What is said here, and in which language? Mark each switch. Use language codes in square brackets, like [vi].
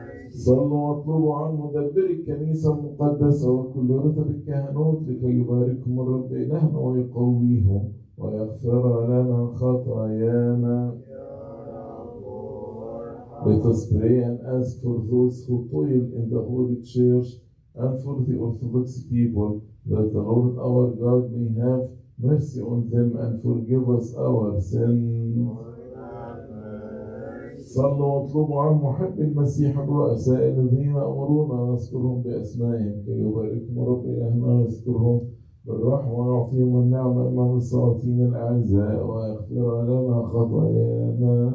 [ar] صلوا واطلبوا عن مدبر الكنيسة المقدسة وكل رتب الكهنوت لكي يباركهم الرب إلهنا ويقويهم ويغفر لنا خطايانا يا رب. [en] Let us pray and ask for those who toil in the Holy Church and for the Orthodox people, that the Lord our God may have mercy on them and forgive us our sins. [ar] صلوا واطلبوا عن محب المسيح الرؤساء الذين أمرونا نذكرهم بأسمائهم كي يباركهم رب إلهنا ويذكرهم بالرحمة ويعطيهم النعمة أمام السلاطين الأعزاء ويغفر لنا خطايانا